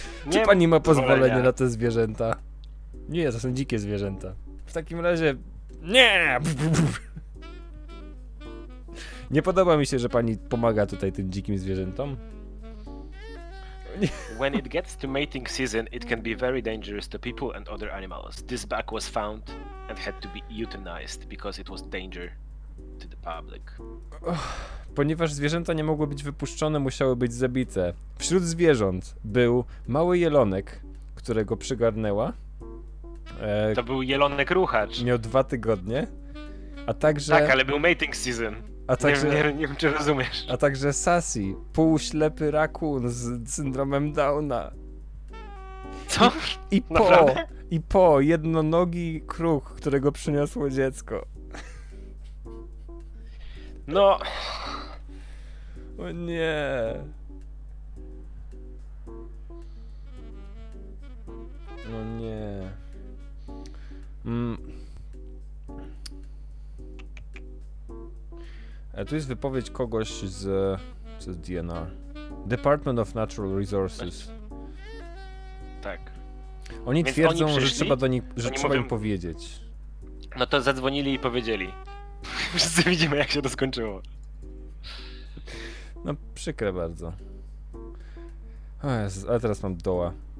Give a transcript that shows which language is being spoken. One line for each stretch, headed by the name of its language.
Polish: Czy pani ma pozwolenie na te zwierzęta? Nie, to są dzikie zwierzęta. W takim razie... Nie! Nie podoba mi się, że pani pomaga tutaj tym dzikim zwierzętom.
English: When it gets to mating season, it can be very dangerous to people and other animals. This bug was found and had to be euthanized because it was danger to the public.
Polish: Ponieważ zwierzęta nie mogły być wypuszczone, musiały być zabite. Wśród zwierząt był mały jelonek, którego przygarnęła. To był jelonek ruchacz. Miał 2 tygodnie. A także... Tak, ale był
English: mating season.
Polish: A także... nie wiem, czy rozumiesz. A także Sassy, półślepy rakun z syndromem Downa. Co? I po jednonogi kruk, którego przyniosło dziecko. No... O nie... O nie... Tu jest wypowiedź kogoś z... Co jest DNR?
English: Department of Natural Resources.
Polish: Tak. Oni twierdzą, oni przyszli, że trzeba do nich, że trzeba im powiedzieć. No to zadzwonili i powiedzieli. Wszyscy widzimy, jak się to skończyło. No, przykre bardzo. O Jezus, ale teraz mam doła.